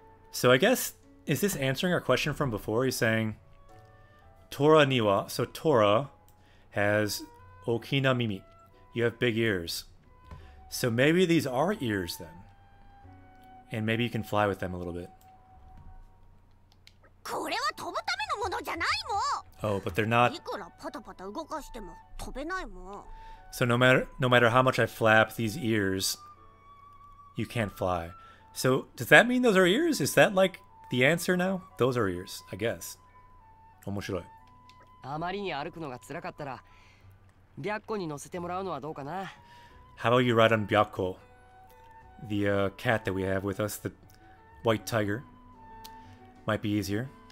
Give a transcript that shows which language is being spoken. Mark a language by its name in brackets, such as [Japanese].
[English] So I guess, is this answering our question from before? He's saying, Tora niwa. So Tora has 大きな耳. You have big ears. So maybe these are ears then. And maybe you can fly with them a little bit. [Japanese] これは飛ぶためのものじゃないもん。 [English] Oh, but they're not. [Japanese] いくらパタパタ動かしても飛べないもん。 [English] So no matter how much I flap these ears, you can't fly. So does that mean those are ears? Is that like the answer now? Those are ears, I guess. 面白い。 [Japanese] あまりに歩くのが辛かったら、byakko に乗せてもらうのはどうかな。 [English] How about you ride on byakko? The cat that we have with us, the white tiger, might be easier.